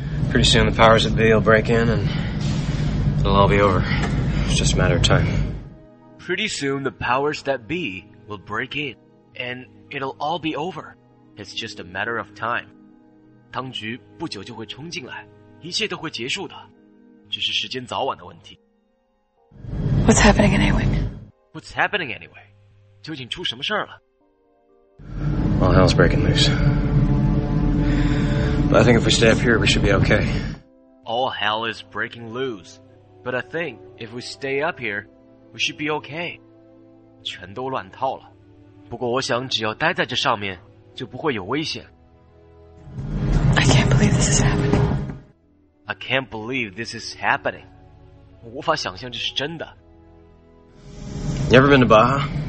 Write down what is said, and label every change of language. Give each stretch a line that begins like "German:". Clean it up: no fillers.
English: Pretty soon the powers that be will break in and it'll all be over. It's just a matter of time. Pretty soon the powers that be will break in and it'll all be over. It's just a matter of time.
Chinese: 当局不久就会冲进来，一切都会结束的，只是时间早晚的问题。
English: What's happening anyway? What's happening anyway? 究竟出什么事儿了？ All hell's breaking loose. But I think if we stay up here, we should be okay. All hell is breaking loose. But I think if we stay up here, we should be okay.
Chinese: 全都乱套了。不过我想只要待在这上面，就不会有危险。
English: I can't believe this is happening. I can't believe this is happening. 我无法想象这是真的。 You ever been to Baja?